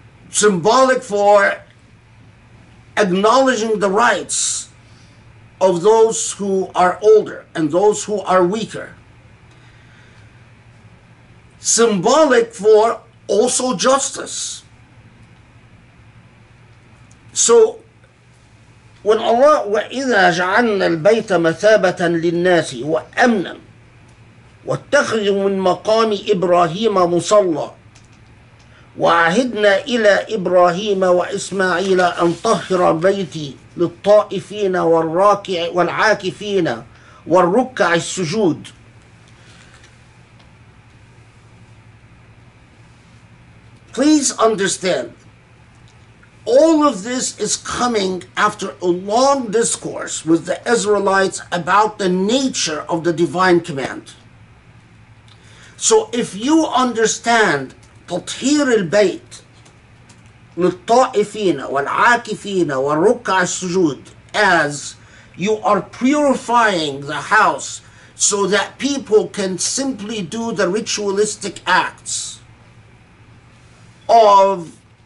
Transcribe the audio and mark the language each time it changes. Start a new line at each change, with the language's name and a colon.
English: Symbolic for acknowledging the rights of those who are older and those who are weaker. Symbolic for also justice. So when Allah,
Arabic: وَإِذَا جَعَلْنَا الْبَيْتَ مَثَابَةً لِلنَّاسِ وَأَمْنًا وَاتَّخِذُوا مِنْ مَقَامِ إِبْرَاهِيمَ مُصَلَّى وعهدنا إلى إبراهيم وإسماعيل أن طهر بيتي للطائفين والراكع والعاكفين والركع السجود.
English: please understand, all of this is coming after a long discourse with the Israelites about the nature of the divine command. So if you understand Tathir al-Bayt, Nutta'ifina, Wal'akifina, Warukka'a sujood, as you are purifying the house so that people can simply do the ritualistic acts of